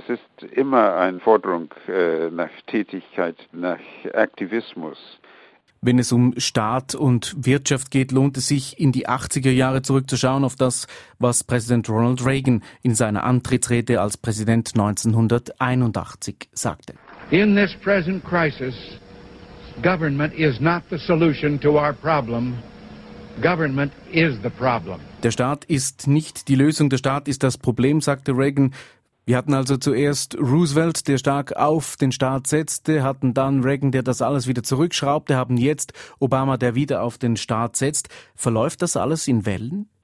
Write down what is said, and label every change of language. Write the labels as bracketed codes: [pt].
[de] Es ist immer eine Forderung nach Tätigkeit, nach Aktivismus. Wenn es um Staat und Wirtschaft geht, lohnt es sich, in die 80er Jahre zurückzuschauen, auf das, was Präsident Ronald Reagan in seiner Antrittsrede als Präsident 1981 sagte. [en] In this present crisis, government is not the solution to our problem. Government is the problem. [de] Der Staat ist nicht die Lösung, der Staat ist das Problem, sagte Reagan. Wir hatten also zuerst Roosevelt, der stark auf den Staat setzte, hatten dann Reagan, der das alles wieder zurückschraubte, haben jetzt Obama, der wieder auf den Staat setzt. Verläuft das alles in Wellen?